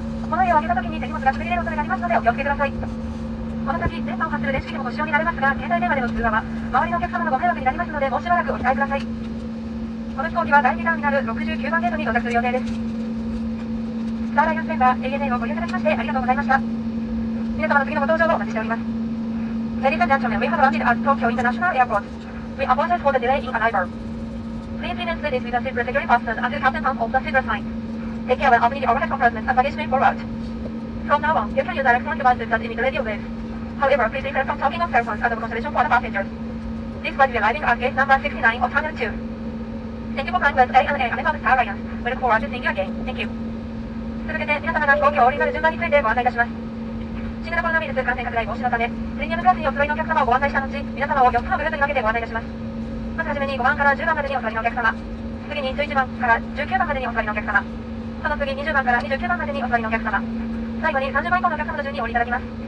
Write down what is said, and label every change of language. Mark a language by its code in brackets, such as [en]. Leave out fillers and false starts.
[ja] 物を上げた時に手荷物が滑り出る恐れがありますのでお気をつけください。この先電波を発する電子機器もご使用になれますが、携帯電話での通話は周りのお客様のご迷惑になりますので、もうしばらくお控えください。この飛行機は第2ターミナル69番ゲートに到着する予定です。スターライアンスメンバー ANA をご利用いただきましてありがとうございました。皆様の次のご搭乗をお待ちしております。 [en] Ladies and gentlemen, we have landed at Tokyo International Airport. We apologize for the delay in arrival. Please remain seated with the seat belt securely fastened until captain comes off the seat belt sign. Take care when opening the overhead compartments and baggage being brought out. From now on, you can use electronic devices that emit radio waves. However, please refrain from talking on cell phones as a consideration for the passengers. This flight is arriving at gate number 69 of Terminal 2. Thank you for flying with ANA and Star Alliance. We look forward to seeing you again. Thank you. [ja] 続けて、皆様が飛行機を降りになる順番についてご案内いたします。新型コロナウイルス感染拡大防止のため、プレミアムクラスにお座りのお客様をご案内した後、皆様を4つのグループに分けてご案内いたします。まずはじめに5番から10番までにお座りのお客様、次に11番から19番までにお座りのお客様、その次20番から29番までにお座りのお客様、最後に30番以降のお客様の順にお降りいただきます。